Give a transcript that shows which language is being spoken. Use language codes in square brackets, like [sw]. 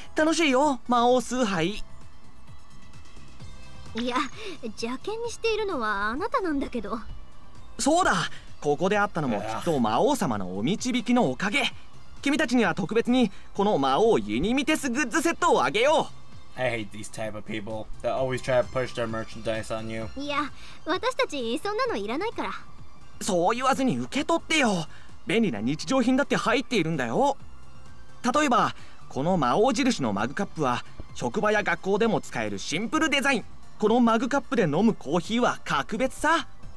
[ja] 楽しいよ、魔王崇拝。いや、邪険にしているのはあなたなんだけど。そうだ、ここで会ったのもきっと魔王様のお導きのおかげ。君たちには特別にこの魔王ユニミテスグッズセットをあげよう。 [en] I hate these type of people that always try to push their merchandise on you. [ja] いや、私たちそんなのいらないから。そう言わずに受け取ってよ。便利な日常品だって入っているんだよ。例えば、この魔王印のマグカップは職場や学校でも使えるシンプルデザイン。このマグカップで飲むコーヒーは格別さ。